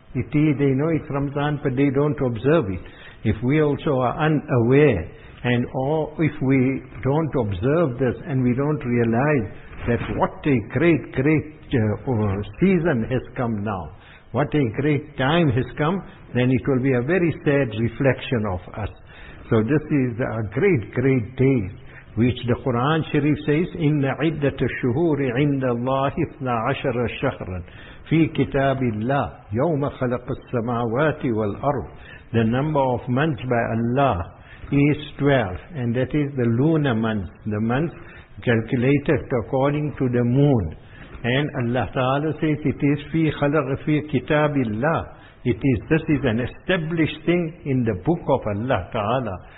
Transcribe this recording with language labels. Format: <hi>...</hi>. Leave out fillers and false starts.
<en>It is, they know it's Ramadan, but they don't observe it. If we also are unaware, and or if we don't observe this, and we don't realize that what a great, great season has come now, what a great time has come, then it will be a very sad reflection of us. So this is a great, great day, which the Quran Sharif says,</en> <ar>إِنَّ عِدَّةَ الشُّهُورِ عِنْدَ اللَّهِ 12 شَهْرًا فِي كِتَابِ اللَّهِ يَوْمَ خَلَقَ السَّمَاوَاتِ وَالْأَرْضِ.</ar> <en>The number of months by Allah is 12, and that is the lunar month, the month calculated according to the moon. And Allah Ta'ala says it is</en> <ar>فِي خَلَقَ فِي كِتَابِ اللَّهِ.</ar> <en>This is an established thing in the book of Allah Ta'ala.</en>